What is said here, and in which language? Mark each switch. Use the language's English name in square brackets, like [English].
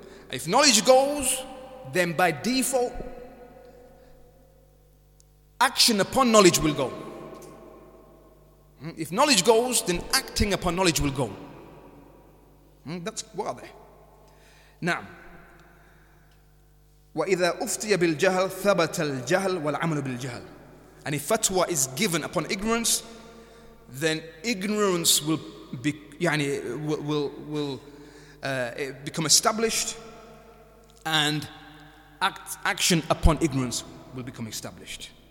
[English] If knowledge goes, then by default, action upon knowledge will go. If knowledge goes, then acting upon knowledge will go. That's wadih. [Arabic] نعم. وإذا أفتي بالجهل ثبت الجهل والعمل بالجهل. [English] And if fatwa is given upon ignorance, then ignorance will be, يعني, become established, and action upon ignorance will become established.